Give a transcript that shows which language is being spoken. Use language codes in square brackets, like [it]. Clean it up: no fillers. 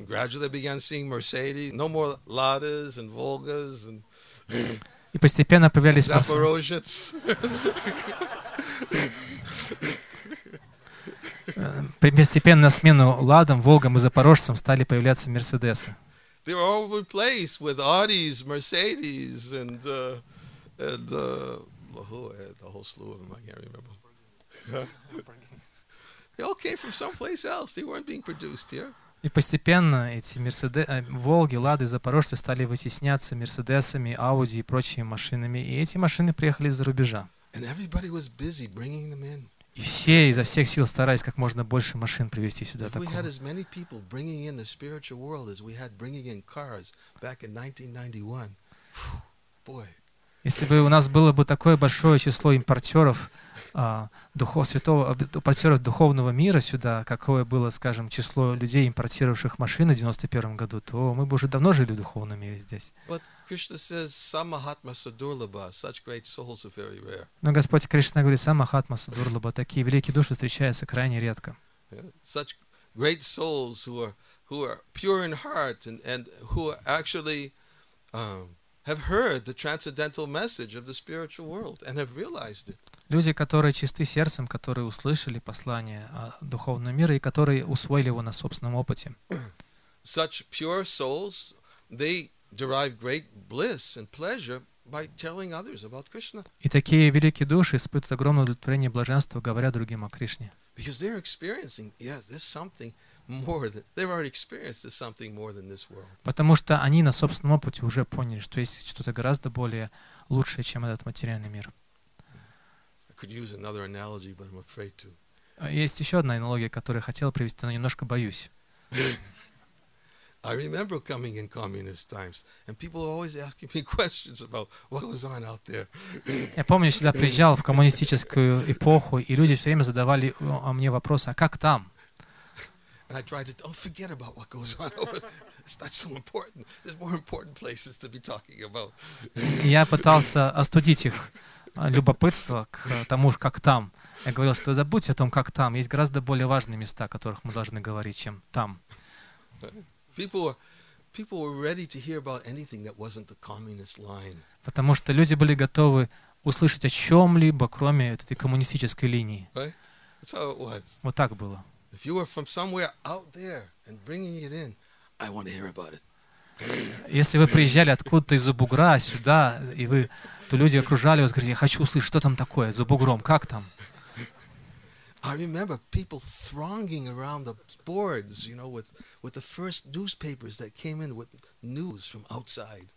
[en] Gradually began seeing Mercedes. No more Ladas and Volgas and. [ru] И постепенно появлялись Запорожец. Постепенно на смену Ладам, Волгам и Запорожцам стали появляться Мерседесы. [en] They were all replaced with Audis, Mercedes, and the whole slew of them, I can't remember. They all came from someplace else. They weren't being produced here. [ru] И постепенно эти Волги, Лады, Запорожцы стали вытесняться Мерседесами, Ауди и прочими машинами. И эти машины приехали из-за рубежа. И все изо всех сил старались как можно больше машин привезти сюда. [en] We had as many people bringing in the spiritual world as we had bringing in cars back in 1991. Boy. [ru] Если бы у нас было бы такое большое число импортеров импортеров духовного мира сюда, какое было, скажем, число людей, импортировавших машины в 91 году, то мы бы уже давно жили в духовном мире здесь. [en] Krishna says, [sa] "Samahatma Sudurlaba, [en] such great souls are very rare." [ru] Но Господь Кришна говорит, [sa] "Самахатма Судурлаба, [ru] такие великие души встречаются крайне редко." [en] Such great souls who are pure in heart and who actually have heard the transcendental message of the spiritual world and have realized it. [ru] Люди, которые чисты сердцем, которые услышали послание духовного мира и которые усвоили его на собственном опыте. [en] Such pure souls, they derive great bliss and pleasure by telling others about Krishna. [ru] И такие великие души испытывают огромное удовлетворение и блаженство, говоря другим о Кришне. [en] Because they're experiencing, yes, there's something more than they've already experienced. There's something more than this world. [ru] Потому что они на собственном опыте уже поняли, что есть что-то гораздо более лучшее, чем этот материальный мир. [en] I could use another analogy, but I'm afraid to. [ru] Есть еще одна аналогия, которую я хотел привести, но немножко боюсь. [en] I remember coming in communist times, and people were always asking me questions about what was on out there. [ru] Я помню, всегда приезжал в коммунистическую эпоху, и люди все время задавали мне вопросы: а как там? [en] And I tried to forget about what goes on over there. It's not so important. There's more important places to be talking about. [ru] Я пытался остудить их любопытство к тому, как там. Я говорил, что забудьте о том, как там. Есть гораздо более важные места, о которых мы должны говорить, чем там. [en] People were ready to hear about anything that wasn't the communist line. [ru] Потому что люди были готовы услышать о чем-либо, кроме этой коммунистической линии. [en] Right? That's how it was. [ru] Вот так было. [en] If you were from somewhere out there and bringing it in, I want to hear about it. [ru] Если вы приезжали откуда-то из-за бугра сюда, и вы, то люди окружали вас, говорили: я хочу услышать, что там такое за бугром, как там? [en] I remember people thronging around the boards, you know, with the first newspapers that came in with news from outside.